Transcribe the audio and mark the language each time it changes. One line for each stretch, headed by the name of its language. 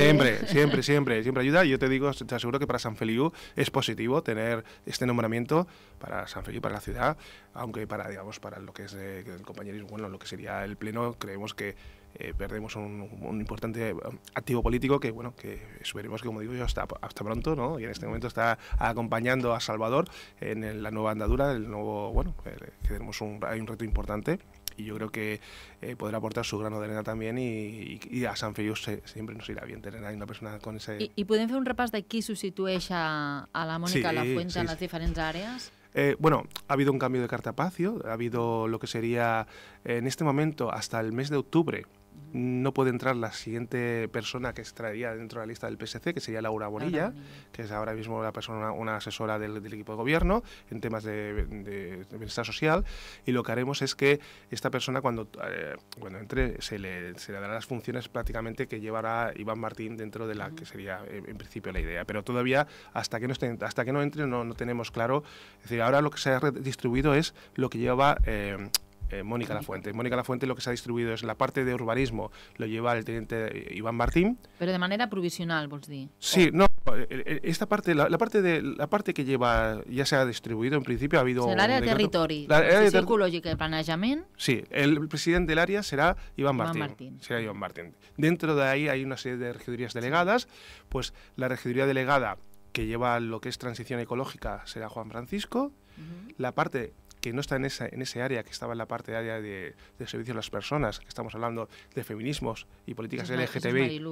Spanish: Siempre, siempre, siempre, siempre ayuda. Yo te digo, te aseguro que para San Feliu es positivo tener este nombramiento para San Feliu, para la ciudad, aunque para, digamos, para lo que es el compañerismo, bueno, lo que sería el pleno, creemos que perdemos un importante activo político que, bueno, que esperemos que, como digo yo, hasta pronto, ¿no? Y en este momento está acompañando a Salvador en la nueva andadura, el nuevo, bueno, que tenemos hay un reto importante. Y yo creo que podrá aportar su grano de arena también y a San Feliu siempre nos irá bien tener a una persona con ese...
Catalan: ¿Y podem fer un repàs de qui substitueix a la Mònica, sí, a la Fuente, sí, en les diferents àrees?
Spanish: Bueno, ha habido un cambio de cartapacio, ha habido lo que sería... En este momento, hasta el mes de octubre, no puede entrar la siguiente persona que estaría dentro de la lista del PSC, que sería Laura Bonilla, que es ahora mismo la persona, una asesora del equipo de gobierno en temas de bienestar social. Y lo que haremos es que esta persona, cuando entre, se le dará las funciones prácticamente que llevará Iván Martín dentro de la que sería en principio la idea. Pero todavía, hasta que no entre, no tenemos claro. Es decir, ahora lo que se ha redistribuido es lo que lleva... Mónica Lafuente. Mónica Lafuente lo que se ha distribuido es la parte de urbanismo, lo lleva el teniente Iván Martín.
Catalan: Pero de manera provisional, vols dir.
Spanish: Sí, no, esta parte, la parte que lleva ya se ha distribuido, en principio ha habido...
Catalan: El área de territori, la ecològica de planejament. Sí, el president de l'àrea serà Iván Martín. Iván Martín. Serà Iván Martín.
Spanish: Dentro de ahí hay una serie de regidurías delegadas, pues la regiduría delegada que lleva lo que es transición ecológica será Juan Francisco. La parte... que no está en ese área, que estaba en la parte de área de servicios a las personas, que estamos hablando de feminismos y políticas LGTBI,